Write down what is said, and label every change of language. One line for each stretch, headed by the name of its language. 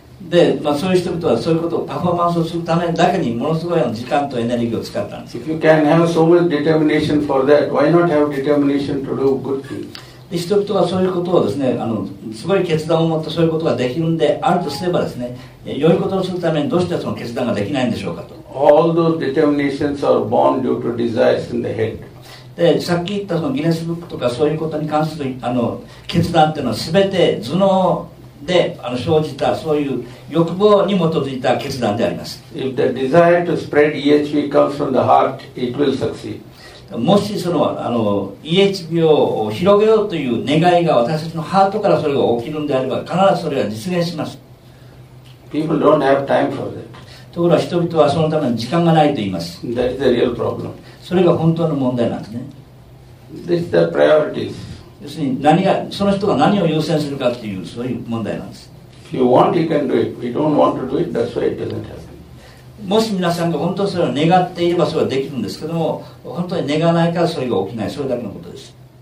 Japanese: で、まあ、そういう人々はそういうことをパフォーマンスをするためだけにものすごい時間とエネルギーを使ったんです。
English: If you can have so much determination for that, why not have determination to do good things?
Japanese: で、人々はそういうことをですね、あのすごい決断を持ってそういうことができるんであるとすればですね、良いことをするためにどうしてその決断ができないんでしょうかと。
English: All those determinations are born due to desires in the head.
Japanese: でさっき言ったそのギネスブックとかそういうことに関するあの決断というのは全て頭脳であの生じたそういう欲望に基づいた決断であります。
English: If the desire to spread EHV comes from the heart, it will succeed.
Japanese: もしそのあの EHV を広げようという願いが私たちのハートからそれが起きるのであれば必ずそれは実現します。
English: People don't have time for that.
Japanese: ところが人々はそのために時間がないと言います。
English: That is the real problem.
Japanese: それが本当の問題なんですね。
English: This is the priorities.
Japanese: 要するに何がその人が何を優先するかっていうそういう問題なんです。
English: If you want, you can do it. If you don't want to do it, that's why it doesn't happen.
Japanese: もし皆さんが本当にそれを願っていればそれはできるんですけども、本当に願わないからそれが起きない、それだけのことです。